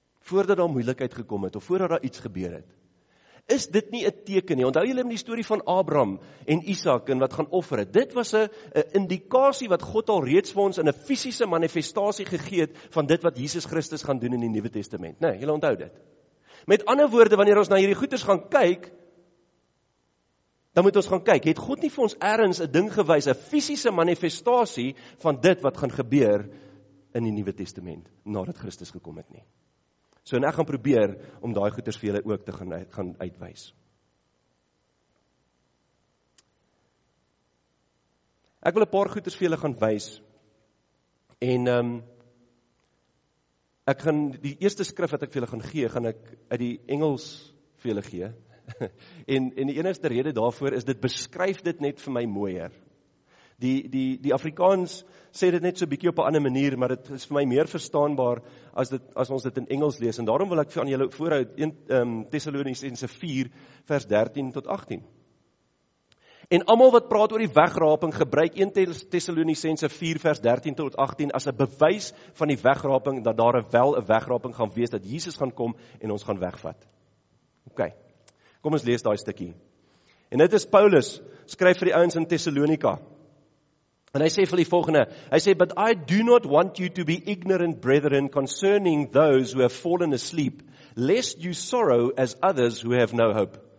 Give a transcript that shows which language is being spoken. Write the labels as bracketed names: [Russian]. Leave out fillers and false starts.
[Afrikaans] Voordat daar moeilikheid gekom het of voordat daar iets gebeur het? Is dit nie 'n teken nie? Onthou julle in die storie van Abraham en Isaac en wat gaan offer het? Dit was 'n indikasie wat God al reeds vir ons in 'n fisiese manifestasie gegee het van dit wat Jesus Christus gaan doen in die Nuwe Testament. Nee, julle onthou dit. Met ander woorde, wanneer ons na hierdie goeders gaan kyk, dan moet ons gaan kyk, het God nie vir ons ergens 'n ding gewys, 'n fisiese manifestasie van dit wat gaan gebeur in die Nuwe Testament nadat Christus gekom het nie? So en ek gaan probeer om daai goeders vir julle ook te gaan uitwys. Ek wil 'n paar goeders vir julle gaan wys. En ek gaan die eerste skrif wat ek vir julle gaan gee, gaan ek uit die Engels vir julle gee. en die enigste rede daarvoor is dit beskryf dit net vir my mooier. Die Afrikaans sê dit net so bietjie op 'n ander manier, maar dit is vir my meer verstaanbaar as ons dit in Engels lees, en daarom wil ek aan julle voorhou Tessalonisense 4 vers 13 tot 18. En almal wat praat oor die wegraping, gebruik 1 Tessalonisense 4 vers 13 tot 18 as 'n bewys van die wegraping, dat daar wel 'n wegraping gaan wees, dat Jesus gaan kom en ons gaan wegvat. OK. Kom ons lees daai stukkie. En dit is Paulus, skryf vir die ouens in Tessalonika. En hy sê vir die volgende, hy sê, [English] but I do not want you to be ignorant, brethren, concerning those who have fallen asleep, lest you sorrow as others who have no hope.